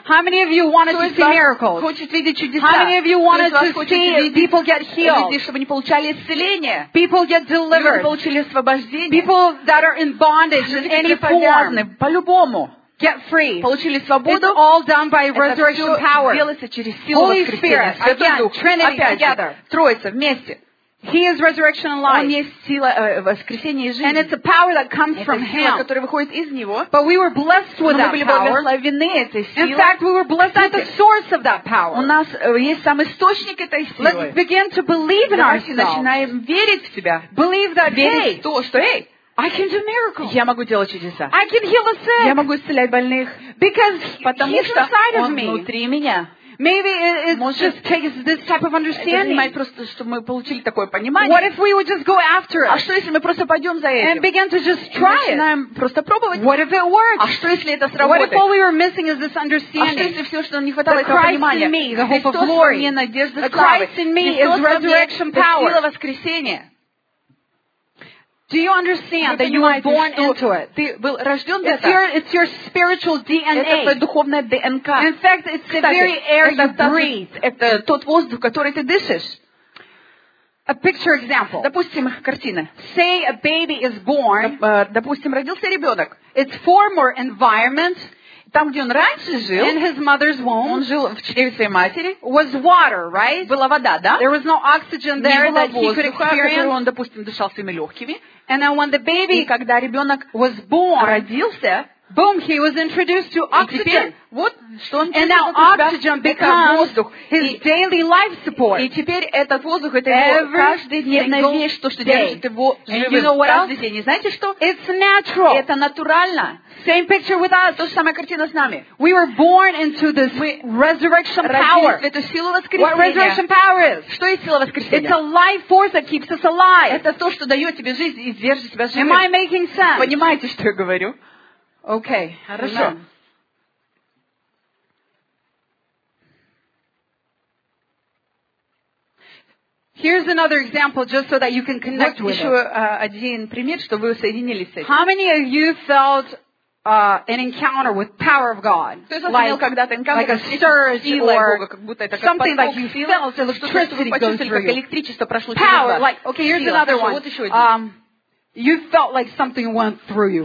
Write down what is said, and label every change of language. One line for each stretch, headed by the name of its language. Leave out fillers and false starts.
English: How many of you wanted to see miracles?
Russian: Хочет видеть чудеса.
English: How many of you wanted to see people get healed?
Russian: Чтобы они получали исцеление.
English: People get delivered.
Russian: Люди получили освобождение.
English: People that are in bondage in any form. Get free.
Russian: Получили свободу.
English: It's all done by resurrection power.
Russian: Делается через силу воскресения.
English: Holy Spirit. Again, Trinity together.
Russian: Троица вместе.
English: He is resurrection and life.
Russian: Он есть сила воскресения и жизни.
English: And it's a power that comes from Him.
Russian: Это сила, которая выходит из него.
English: But we were blessed with that power.
Russian: Мы были благословлены этой силой.
English: In fact, we were blessed at the source of that power.
Russian: У нас есть сам источник этой силы.
English: Let's begin to believe in ourselves.
Russian: Давайте начинаем верить в себя.
English: Believe that, hey. I can do miracles.
Russian: Я могу делать чудеса.
English: I can heal the sick.
Russian: Я могу исцелять больных.
English: Because he's inside of me.
Russian: Он внутри меня.
English: Maybe it just takes this type of understanding.
Russian: Просто, чтобы мы получили такое понимание.
English: What if we would just go after it?
Russian: А что если мы просто пойдем за этим?
English: And begin to just try it.
Russian: Начинаем просто пробовать.
English: What if it works?
Russian: А что если это сработает?
English: What if all we were missing is this understanding?
Russian: А что если все, что не хватало этого понимания?
English: The Christ in me, the hope of glory.
Russian: Надежда славы.
English: Christ in me is resurrection power.
Russian: Сила воскресения.
English: Do you understand that you were born into it?
Russian: Ты был рождён для этого.
English: It's your spiritual DNA.
Russian: Это твоя духовная ДНК.
English: In fact, it's the very air that you breathe.
Russian: Это тот воздух, который ты дышишь.
English: A picture example.
Russian: Допустим, картина.
English: Say a baby is born.
Russian: Допустим, родился ребёнок.
English: Its former environment.
Russian: Там, где он раньше жил,
English: in his mother's womb,
Russian: он жил в чреве своей матери,
English: was water, right?
Russian: Была вода, да?
English: There was no oxygen there that he could experience.
Russian: Который он, допустим, дышал своими легкими.
English: And then when the baby,
Russian: и когда ребенок
English: was born,
Russian: родился,
English: boom, he was introduced to oxygen.
Russian: И теперь, вот, что он
English: and now oxygen becomes his daily life support.
Russian: И теперь этот воздух, это его каждый день, вещь, то, что держит его живым,
English: you know
Russian: каждый день. И знаете что?
English: It's natural.
Russian: Это натурально.
English: Same picture with us.
Russian: То же самое картина с нами.
English: We were born into this resurrection power.
Russian: В эту силу воскресения.
English: What resurrection power is?
Russian: Что есть сила воскресения?
English: It's a life force that keeps us alive.
Russian: Это то, что дает тебе жизнь и держит тебя живым.
English: Am I making sense?
Russian: Понимаете, что я говорю?
English: Okay.
Russian: Хорошо.
English: Here's another example, just so that you can connect with.
Russian: Еще один пример, чтобы вы соединились с этим.
English: How many of you felt an encounter with power of God, like a surge or something like you feel, electricity goes through power, like, okay, here's another one. You felt like something went through you.